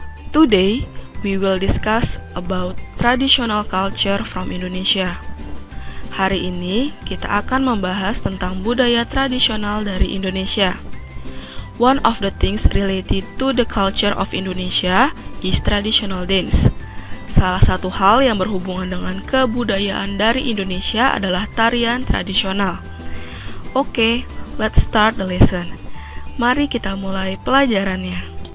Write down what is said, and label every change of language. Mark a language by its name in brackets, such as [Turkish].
[English] Today, we will discuss about traditional culture from Indonesia. [Indonesian] Hari ini, kita akan membahas tentang budaya tradisional dari Indonesia. [English] One of the things related to the culture of Indonesia is traditional dance. [Indonesian] Salah satu hal yang berhubungan dengan kebudayaan dari Indonesia adalah tarian tradisional. [English] Okay, let's start the lesson. [Indonesian] Mari kita mulai pelajarannya.